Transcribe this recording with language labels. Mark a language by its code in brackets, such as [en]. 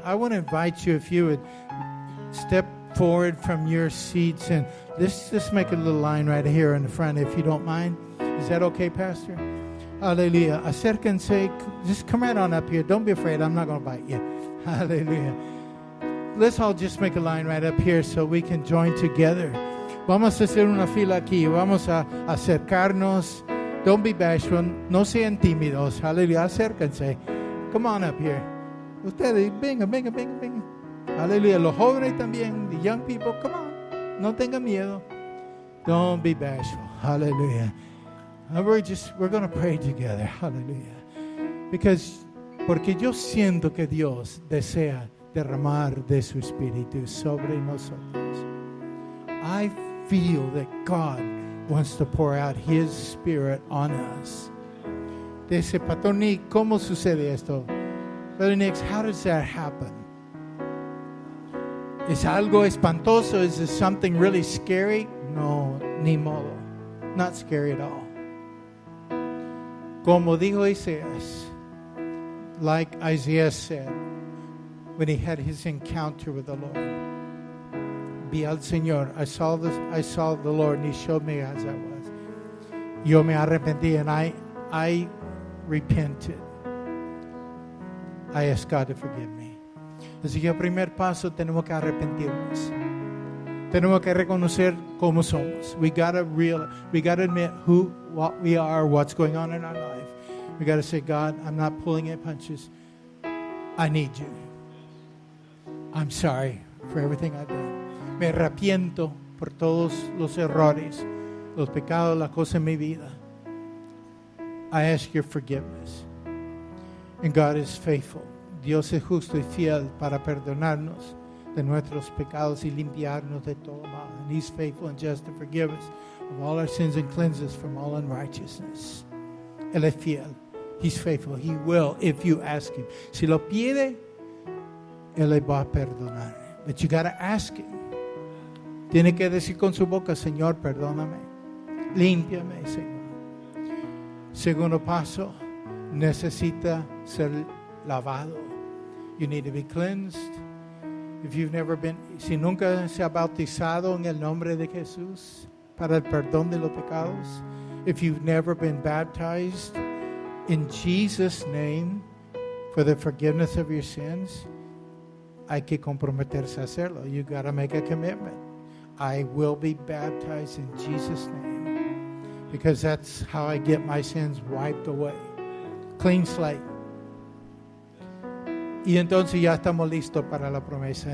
[en] I want to invite you, if you would step forward from your seats, and let's just make a little line right here in the front, if you don't mind. Is that okay, Pastor? Hallelujah. [es] Acérquense. [en] Just come right on up here. Don't be afraid. I'm not going to bite you. Hallelujah. Let's all just make a line right up here so we can join together. [es] Vamos a hacer una fila aquí. Vamos a acercarnos. [en] Don't be bashful. [es] No sean tímidos. Hallelujah. Acérquense. [en] Come on up here. [es] Ustedes, venga, venga, venga, venga. Hallelujah. Los jóvenes también. [en] The young people, come on. [es] No tengan miedo. [en] Don't be bashful. Hallelujah. And we're going to pray together. Hallelujah. [es] Porque yo siento que Dios desea derramar de su espíritu sobre nosotros. [en] I feel that God wants to pour out his spirit on us. [es] Dice, Pastor Nick, ¿cómo sucede esto? [en] Brother Nick, how does that happen? [es] ¿Es algo espantoso? [en] ¿Es something really scary? [es] No, ni modo. [en] Not scary at all. [es] Como dijo Isaías, [en] like Isaiah said, when he had his encounter with the Lord, [es] vi al Señor. [en] I saw the Lord, and he showed me as I was. [es] Yo me arrepentí, [en] and I repented. I asked God to forgive me. [es] Así que el primer paso, tenemos que arrepentirnos. Tenemos que reconocer cómo somos. [en] We gotta admit who, what we are, what's going on in our life. We gotta say, God, I'm not pulling any punches. I need you. I'm sorry for everything I've done. [es] Me arrepiento por todos los errores, los pecados, las cosas en mi vida. [en] I ask your forgiveness. And God is faithful. [es] Dios es justo y fiel para perdonarnos de nuestros pecados y limpiarnos de todo mal. [en] And he's faithful and just to forgive us of all our sins and cleanse us from all unrighteousness. [es] Él es fiel. [en] He's faithful. He will if you ask him. [es] Si lo pide, Él va a perdonar. [en] But you got to ask him. [es] Tiene que decir con su boca, Señor, perdóname. Límpiame, Señor. Segundo paso, necesita ser lavado. [en] You need to be cleansed. If you've never been, [es] si nunca se ha bautizado en el nombre de Jesús para el perdón de los pecados, [en] if you've never been baptized in Jesus' name for the forgiveness of your sins, [es] hay que comprometerse a hacerlo. [en] You got to make a commitment. I will be baptized in Jesus' name because that's how I get my sins wiped away. Clean slate. [es] Y entonces ya estamos listos para la promesa.